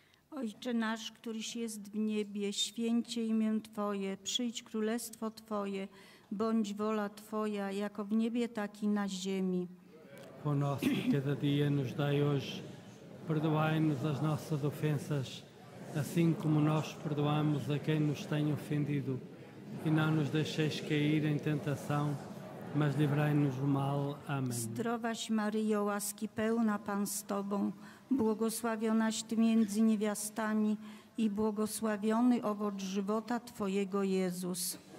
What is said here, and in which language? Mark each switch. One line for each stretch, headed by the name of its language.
Polish: Ojcze nasz, któryś jest w niebie, święcie imię Twoje, przyjdź królestwo Twoje, bądź wola Twoja, jako w niebie, tak i na ziemi.
Portuguese: Pão nosso cada dia nos dai hoje, perdoai-nos as nossas ofensas, assim como nós perdoamos a quem nos tem ofendido. E não nos deixeis cair em tentação, mas livrai-nos do mal. Amém.
Polish: Zdrowaś Maryjo, łaski pełna Pan z Tobą, błogosławionaś Ty między niewiastami i błogosławiony owoc żywota Twojego, Jezus.